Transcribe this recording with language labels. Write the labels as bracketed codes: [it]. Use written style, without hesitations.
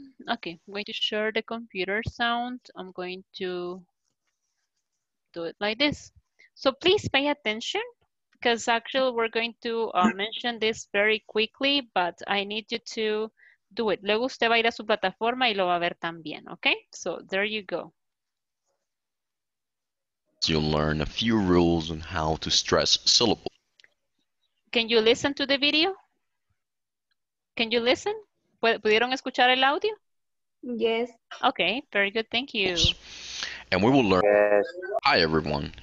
[en] Okay, I'm going to share the computer sound. I'm going to do it like this. So please pay attention, because actually we're going to mention this very quickly, but I need you to do it. [es] Luego usted va a ir a su plataforma y lo va a ver también, okay? [en] So there you go. You'll learn a few rules on how to stress syllables. Can you listen to the video? Can you listen? [es] ¿Pudieron escuchar el audio? [en] Yes. Okay, very good, thank you. And we will learn... Yes. Hi, everyone.